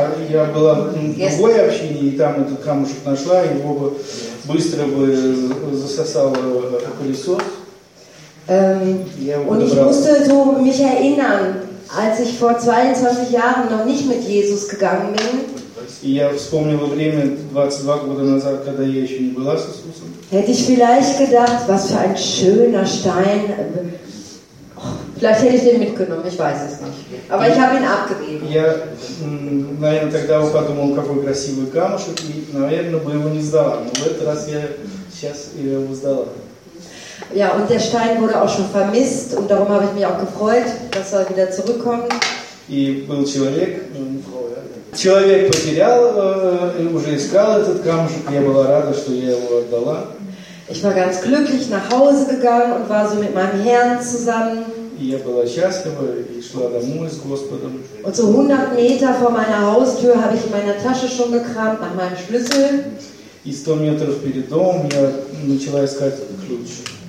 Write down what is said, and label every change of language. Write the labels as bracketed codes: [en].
[ru] Я была в другой общине, и там этот камушек нашла, и его бы быстро бы засосало пылесос. [de] Und ich musste so mich erinnern, als ich vor 22 Jahren noch nicht mit Jesus gegangen bin. [ru] Я вспомнила время 22 года назад, когда я еще не была с Иисусом. [de] Hätte ich vielleicht gedacht, was für ein schöner Stein. Vielleicht hätte ich den mitgenommen, ich weiß es nicht. Aber ich habe ihn abgegeben. [ru] Я, наверное, тогда подумал, какой красивый камушек, и, наверное, бы его не сдала. Но в этот раз я сейчас его сдала. [de] Ja, und der Stein wurde auch schon vermisst und darum habe ich mich auch gefreut, dass er wieder zurückkommt. [ru] И был человек, человек потерял, уже искал этот камушек, я была рада, что я его отдала. [de] Ich war ganz glücklich nach Hause gegangen und war so mit meinem Herrn zusammen. [ru] Я была счастлива и шла домой с Господом. [de] Und so 100 Meter vor meiner Haustür habe ich in meiner Tasche schon gekramt nach meinem Schlüssel. [ru] И 100 метров перед домом я начала искать ключ.